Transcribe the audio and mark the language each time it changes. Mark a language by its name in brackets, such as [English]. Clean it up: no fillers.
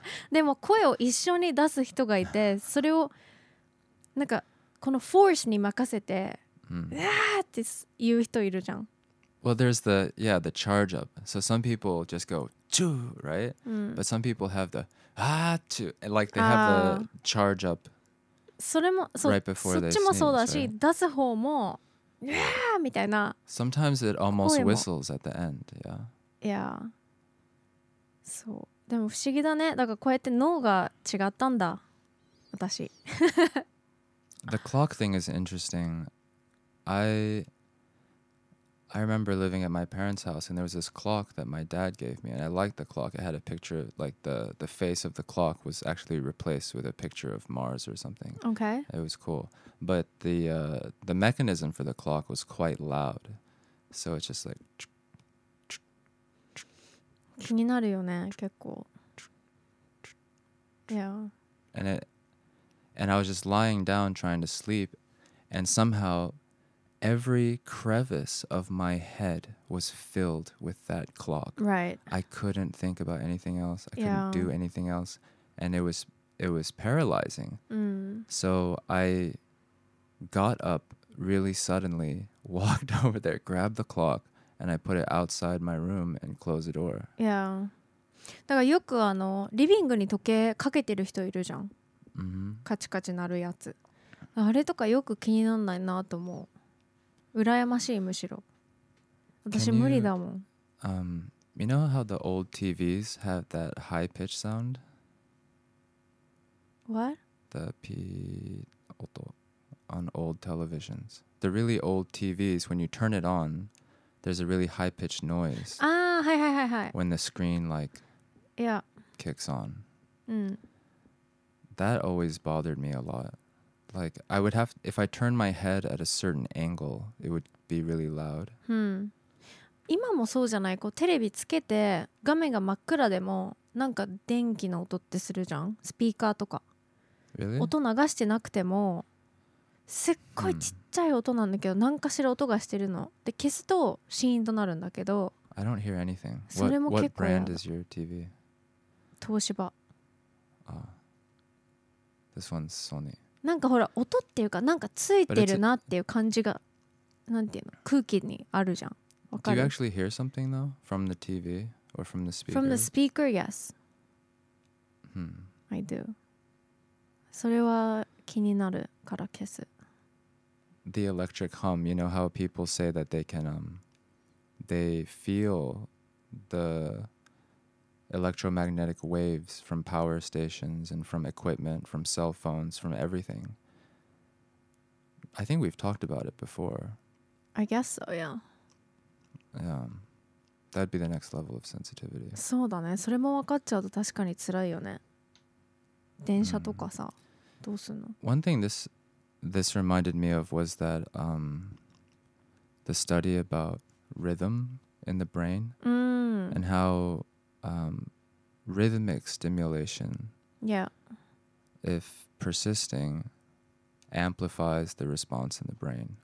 [Japanese] でも声を一緒に出す人がいて、それをなんかこのフォースに任せて、うわーって言う人いるじゃん。 [English] Well, there's the, yeah, the charge up. So some people just go, choo, right? But some people have the, ah, choo. Like they have the charge up right before they sneeze. [Japanese] そっちもそうだし、出す方も、わーみたいな。 [English] Sometimes it almost whistles at the end, yeah. [Japanese] Yeah. そう。でも不思議だね。だからこうやって脳が違ったんだ、私。 [English] The clock thing is interesting. I remember living at my parents' house, and there was this clock that my dad gave me, and I liked the clock. It had a picture, like the face of the clock was actually replaced with a picture of Mars or something. Okay. It was cool. But the mechanism for the clock was quite loud. So it's just like... [Japanese] 気になるよね、結構。 [English] Yeah. And I was just lying down trying to sleep, and somehow... Every crevice of my head was filled with that clock. Right. I couldn't think about anything else. I couldn't do anything else. And it was paralyzing. So I got up really suddenly, walked over there, grabbed the clock, and I put it outside my room and closed the door. Yeah. [Japanese] だからよくあのリビングに時計かけてる人いるじゃん。 Mm-hmm. カチカチ鳴るやつ。あれとかよく気にならないなと思う。羨ましい、むしろ。私無理だもん。 [English] You know how the old TVs have that high pitch sound? What? The P 音 on old televisions. The really old TVs, when you turn it on, there's a really high pitched noise. [Japanese] Ah, はいはいはいはい。 [English] When the screen like yeah. kicks on. Mm. That always bothered me a lot. Like, I would have, if I turn my head at a certain angle, it would be really loud. [Japanese] Hmm. 今もそうじゃない。こう、テレビつけて、画面が真っ暗でも、なんか電気の音ってするじゃん。スピーカーとか。 [English] Really? [Japanese] 音流してなくても、すっごいちっちゃい音なんだけど、何かしら音がしてるの。で、消すとシーンとなるんだけど。 [English] I don't hear anything. What brand is your TV? [Japanese] 東芝。 [English] Ah. This one's Sony. [Japanese] なんかほら音っていうかなんかついてるなっていう感じがなんていうの空気にあるじゃん。わかる。 [English] Do you actually hear something though from the TV or from the speaker? From the speaker, yes. Hmm. I do. [Japanese] それは気になるから消す。 [English] The electric hum. You know how people say that they can they feel the electromagnetic waves from power stations and from equipment, from cell phones, from everything. I think we've talked about it before. I guess so, yeah. Yeah. That'd be the next level of sensitivity. [Japanese] そうだね。それも分かっちゃうと確かに辛いよね。電車とかさ、どうすんの? [English] One thing this reminded me of was that the study about rhythm in the brain and howrhythmic stimulation, yeah, if persisting, amplifies the response in the brain.